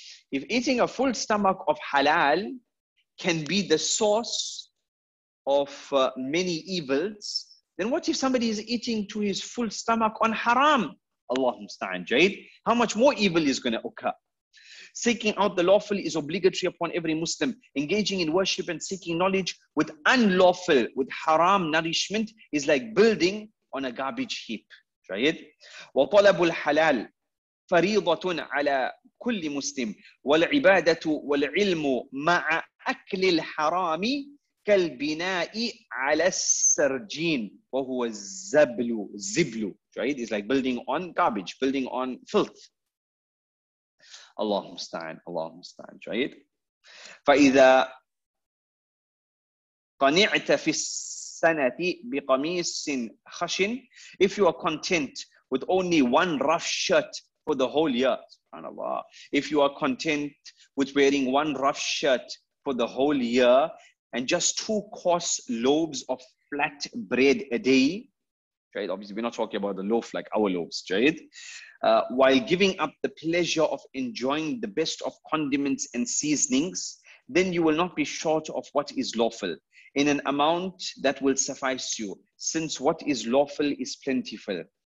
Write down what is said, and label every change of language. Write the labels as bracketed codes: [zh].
[en] If eating a full stomach of halal can be the source of many evils, then what if somebody is eating to his full stomach on haram? Allahumma musta'an, Jayid. How much more evil is going to occur? Seeking out the lawful is obligatory upon every Muslim. Engaging in worship and seeking knowledge with unlawful, with haram nourishment is like building on a garbage heap. Jayid. [ar] Wa talabul halal فريضة على كل مسلم والعبادة والعلم مع أكل الحرام كالبناء على السرجين وهو الزبل زبل. [en] Right? It's like building on garbage, building on filth. [ar] Allahumma musta'an, Allahumma musta'an. [en] Right? [ar] فإذا قنعت في السنة بقميص خشن. [en] If you are content with only one rough shirt for the whole year, subhanAllah. If you are content with wearing one rough shirt for the whole year and just two coarse loaves of flat bread a day, right? Obviously, we're not talking about the loaf like our loaves, right? While giving up the pleasure of enjoying the best of condiments and seasonings, then you will not be short of what is lawful in an amount that will suffice you, since what is lawful is plentiful.